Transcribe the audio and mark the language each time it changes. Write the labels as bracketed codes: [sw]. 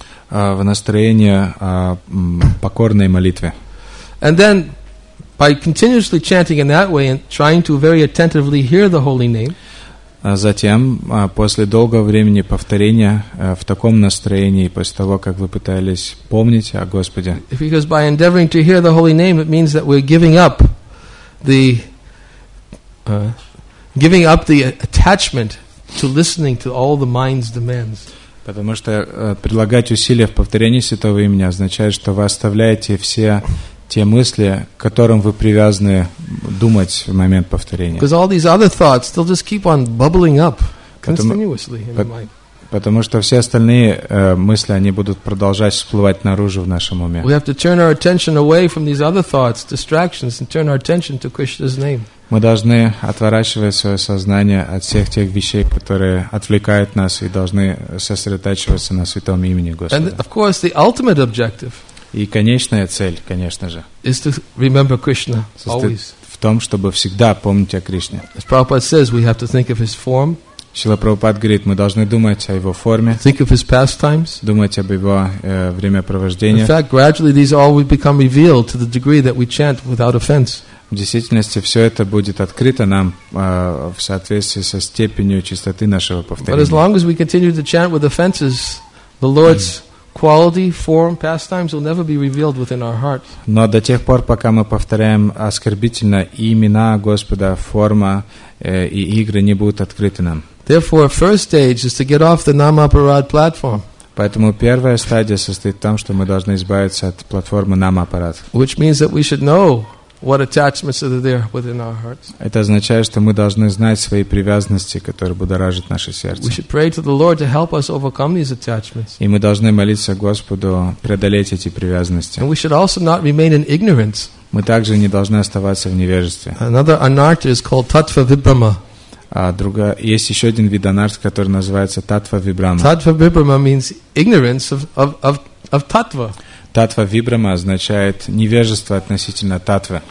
[ru] В настроении покорной молитвы. [en] And then, by continuously chanting in that way and trying to very attentively hear the holy name, [ru] Затем, после долгого времени повторения, в таком настроении, после того, как вы пытались помнить о Господе. [en] Because by endeavoring to hear the holy name, it means that we're giving up the attachment to listening to all the mind's demands. [ru] Потому что прилагать усилия в повторении святого имени означает, что вы оставляете все те мысли, к которым вы привязаны думать в момент повторения. [en] Because all these other thoughts, they'll just keep on bubbling up continuously in the mind. [ru] Потому что все остальные мысли, они будут продолжать всплывать наружу в нашем уме. [en] We have to turn our attention away from these other thoughts, distractions, and turn our attention to Krishna's name. [ru] Мы должны отворачивать свое сознание от всех тех вещей, которые отвлекают нас, и должны сосредотачиваться на святом имени Господа. [en] And of course, the ultimate objective. [ru] И конечная цель, конечно же, [en] is to remember Krishna always. [ru] В том, чтобы всегда помнить о Кришне. [en] As Prabhupada says, we have to think of his form. [ru] Шрила Прабхупад говорит, мы должны думать о его форме. [en] Think of his pastimes. [ru] Думать об его времяпровождении. [en] In fact, gradually these all will become revealed to the degree that we chant without offense. [ru] В действительности все это будет открыто нам в соответствии со степенью чистоты нашего повторения. [en] But as long as we continue to chant with offenses, the Lord's quality, form, pastimes will never be revealed within our heart. [ru] Но до тех пор, пока мы повторяем оскорбительно имена Господа, форма и игры не будут открыты нам. [en] Therefore, first stage is to get off the Namaparad platform. [ru] Поэтому первая стадия состоит в том, что мы должны избавиться от платформы Namaparad. [en] Which means that we should know what attachments are there within our hearts. [ru] Это означает, что мы должны знать свои привязанности, которые будоражат наше сердце. [en] We should pray to the Lord to help us overcome these attachments. [ru] И мы должны молиться Господу преодолеть эти привязанности. [en] And we should also not remain in ignorance. [ru] Мы также не должны оставаться в невежестве. [en] Another anartha is called tattva vibhrama. [ru] Есть еще один вид анартх, который называется tattva vibhrama. [en] Tattva vibhrama means ignorance of tattva. [ru] Татва вибрама означает невежество относительно татвы.